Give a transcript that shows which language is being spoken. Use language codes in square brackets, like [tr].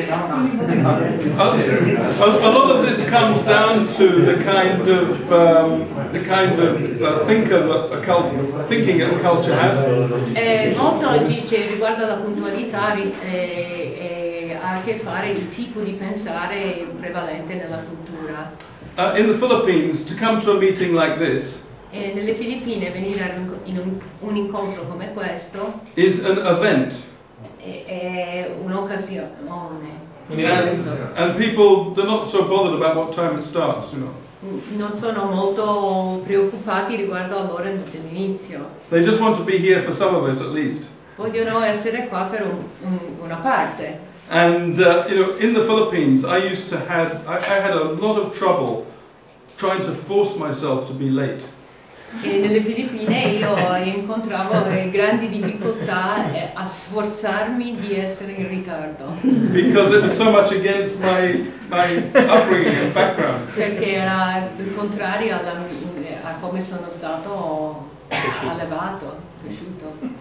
[en] A lot of this comes down to the kind of thinking that a culture has. [it] Molto oggi che riguarda la puntualità ha a che fare il tipo di pensare prevalente nella cultura. [en] In the Philippines, to come to a meeting like this, [it] e nelle Filippine venire in un incontro come questo [en] is an event. [it] È un'occasione. [en] And people, they're not so bothered about what time it starts, you know. [it] Non sono molto preoccupati riguardo all'ora dell'inizio. [en] They just want to be here for some of us, at least. [it] Vogliono essere qua per una parte. [en] And you know, in the Philippines, I had a lot of trouble trying to force myself to be late. [it] E nelle Filippine io incontravo grandi difficoltà a sforzarmi di essere in ritardo. [en] Because it was so much against my upbringing and background. [it] Perché era il contrario alla, a come sono stato allevato, cresciuto.